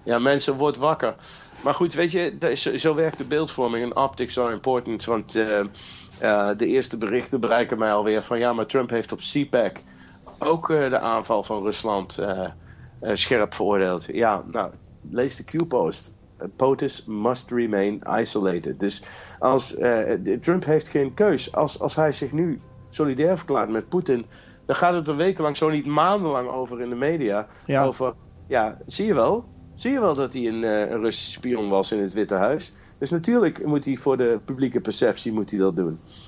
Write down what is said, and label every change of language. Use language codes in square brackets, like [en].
[nl] Ja, mensen, word wakker. Maar goed, weet je, zo werkt de beeldvorming. En [en] optics are important, [nl] want de eerste berichten bereiken mij alweer van ja, maar Trump heeft op CPAC ook de aanval van Rusland scherp veroordeeld. Ja, nou, lees de Q-post. [en] POTUS must remain isolated. [nl] Dus als Trump heeft geen keus. Als hij zich nu solidair verklaart met Poetin, dan gaat het er wekenlang, zo niet maandenlang over in de media. Ja. Over, ja, zie je wel? Zie je wel dat hij een Russisch spion was in het Witte Huis? Dus natuurlijk moet hij voor de publieke perceptie moet hij dat doen.